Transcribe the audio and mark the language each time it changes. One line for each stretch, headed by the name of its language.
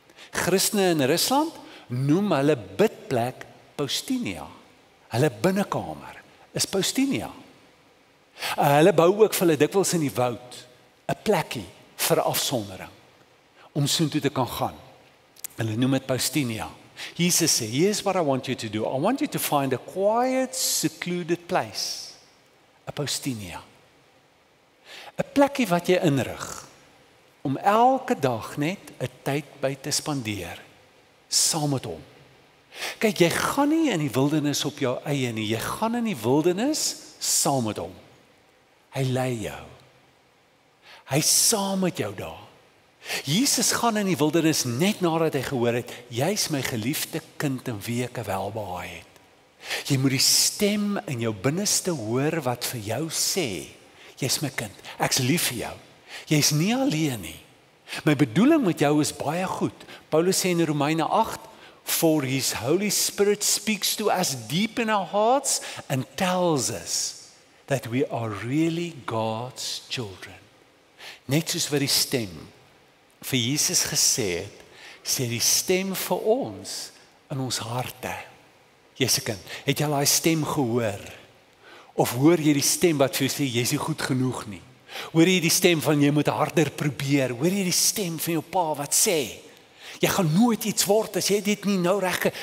Afrikaans: Christene in Rusland noem hulle bidplek Paustinia. Hulle binnekamer is Paustinia. Hulle bou ook vir hulle dikwels in die woud, 'n plekkie vir afsondering, om soontoe te kan gaan. Hulle noem dit Paustinia. Jesus sê,
English: here's what I want you to do. I want you to find a quiet, secluded place. A Paustinia.
Afrikaans: 'N plekkie wat jy inrig, om elke dag net 'n tyd by te spandeer, saam met hom. Kyk, jy gaan nie in die wildernis op jou eie nie, jy gaan in die wildernis saam met hom. Hy lei jou. Hy is saam met jou daar. Jesus gaan in die wildernis net nadat hy gehoor het, jy is my geliefde kind in wie ek welbehaag het. Jy moet die stem in jou binneste hoor wat vir jou sê, jy is my kind, ek is lief vir jou, jy is nie alleen nie. My bedoeling met jou is baie goed. Paulus sê in Romeine 8,
English: For his Holy Spirit speaks to us deep in our hearts and tells us that we are really God's children.
Afrikaans: Net soos wat die stem vir Jesus gesê het, sê die stem vir ons in ons harte. Jesuskind, het jy al die stem gehoor? Of hoor jy die stem wat vir jou sê, jy is nie goed genoeg nie? Hoor jy die stem van jy moet harder probeer? Hoor jy die stem van jou pa wat sê, jy gaan nooit iets word as jy dit nie nou reg.